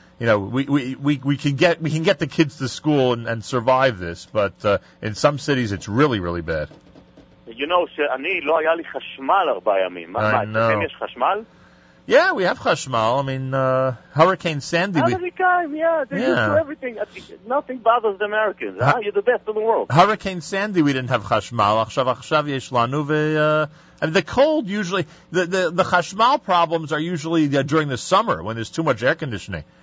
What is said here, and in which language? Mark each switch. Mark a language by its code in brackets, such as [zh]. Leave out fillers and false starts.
[en] You know, we can get the kids to school and survive this, but in some cities it's really, really bad. [he] You know, שאני לא היה לי חשמל 4 ימים. [en] I know. [he] יש חשמל? [en] Yeah, we have חשמל. I mean, Hurricane Sandy. They used to everything. Nothing bothers the Americans. You're the best in the world. Hurricane Sandy, we didn't have חשמל. עכשיו יש לנו, and the cold usually, the חשמל problems are usually during the summer when there's too much air conditioning.